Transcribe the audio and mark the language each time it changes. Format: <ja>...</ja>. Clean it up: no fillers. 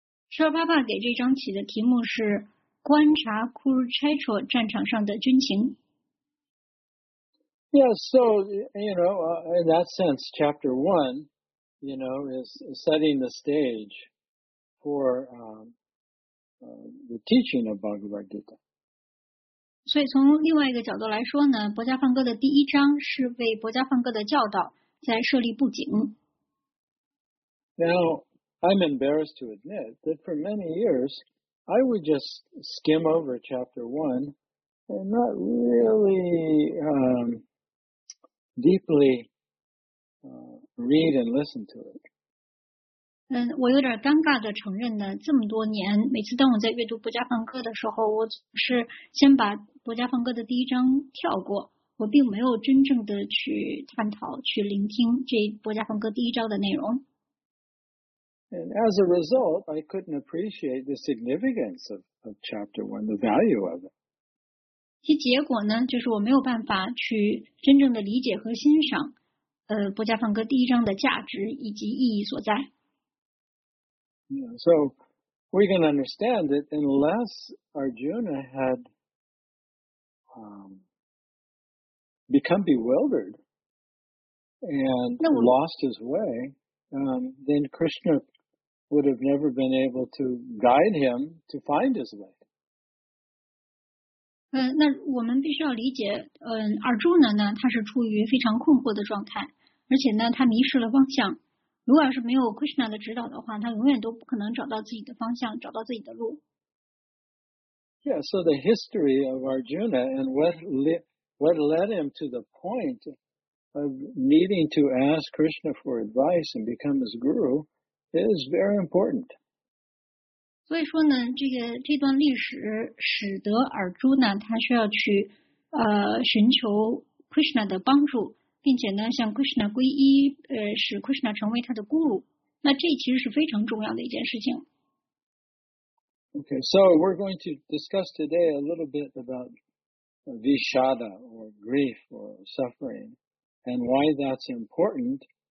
<zh>Shrilapapa 给这章起的题目是观察 Kurukshetra 战场上的军情。</zh> <en>Yeah, so, you know, in that sense, chapter one, you know, is setting the stage for the teaching of Bhagavad Gita.</en> <zh>所以从另外一个角度来说呢，《薄伽梵歌》的第一章是为薄伽梵歌的教导在设立布景。</zh> <en>Now, I'm embarrassed to admit that for many years, I would just skim over chapter one and not really deeply read and listen to it.</en> <zh>我有点尴尬地承认呢，这么多年，每次当我在阅读薄伽梵歌的时候，我是先把薄伽梵歌的第一章跳过，我并没有真正的去探讨、去聆听这薄伽梵歌第一章的内容。</zh> <en>And as a result, I couldn't appreciate the significance of chapter one, the value of it.</en> <zh>其结果呢，就是我没有办法去真正的理解和欣赏，薄伽梵歌第一章的价值以及意义所在。</zh> <en>Yeah, so we can understand that unless Arjuna had become bewildered and lost his way, then Krishna would have never been able to guide him to find his way.</en> <zh>那我们必须要理解，尔朱呢，他是处于非常困惑的状态，而且呢，他迷失了方向。如果要是没有 Krishna 的指导的话，他永远都不可能找到自己的方向，找到自己的路。</zh> <en>Yeah, so the history of Arjuna and what led him to the point of needing to ask Krishna for advice and become his guru is very important.</en> <zh>所以说呢，这段历史使得尔朱呢，他需要去寻求 Krishna 的帮助，并且呢向 Krishna 皈依，使 Krishna 成为他的 guru。那这其实是非常重要的一件事情。</zh> <en>Okay, so we're going to discuss today a little bit about vishada or grief or suffering and why that's important.</en>